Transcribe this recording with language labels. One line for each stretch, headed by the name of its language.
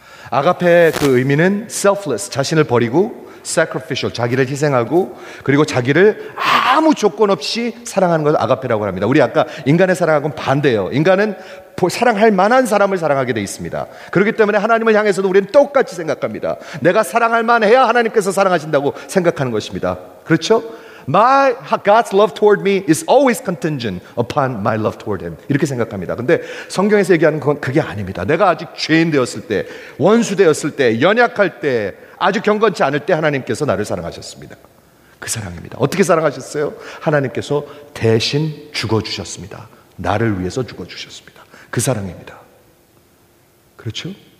Korean: 아가페의 그 의미는
English: selfless,
Korean: 자신을 버리고
English: sacrificial,
Korean: 자기를 희생하고 그리고 자기를 아무 조건 없이 사랑하는 것을 아가페라고 합니다. 우리 아까 인간의 사랑하고는 반대예요. 인간은 사랑할 만한 사람을 사랑하게 돼 있습니다. 그렇기 때문에 하나님을 향해서도 우리는 똑같이 생각합니다. 내가 사랑할 만해야 하나님께서 사랑하신다고 생각하는 것입니다. 그렇죠?
English: My God's love toward me is always contingent upon my love toward him.
Korean: 이렇게 생각합니다. 근데 성경에서 얘기하는 건 그게 아닙니다. 내가 아직 죄인 되었을 때, 원수 되었을 때, 연약할 때, 아주 경건치 않을 때 하나님께서 나를 사랑하셨습니다. 그 사랑입니다. 어떻게 사랑하셨어요? 하나님께서 대신 죽어주셨습니다. 나를 위해서 죽어주셨습니다. 그 사랑입니다. 그렇죠?